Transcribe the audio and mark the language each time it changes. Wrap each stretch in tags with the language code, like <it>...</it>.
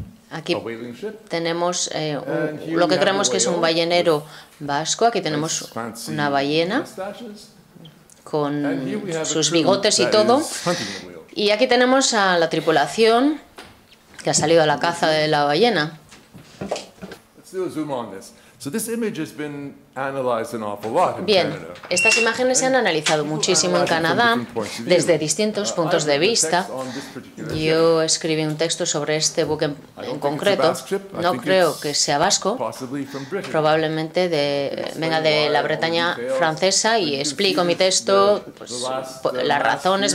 <es>Aquí tenemos lo que creemos que es un ballenero vasco. Aquí tenemos una ballena con sus bigotes y todo. Y aquí tenemos a la tripulación que ha salido a la caza de la ballena.</es> <en>still zoom on this. So this image has been analyzed an awful lot in Canada.</en> <es>Bien, estas imágenes se han analizado muchísimo en Canadá desde distintos puntos de vista. Yo escribí un texto sobre este buque en concreto. No creo que sea vasco, probablemente venga de la Bretaña francesa, y explico mi texto, pues, las razones.</es>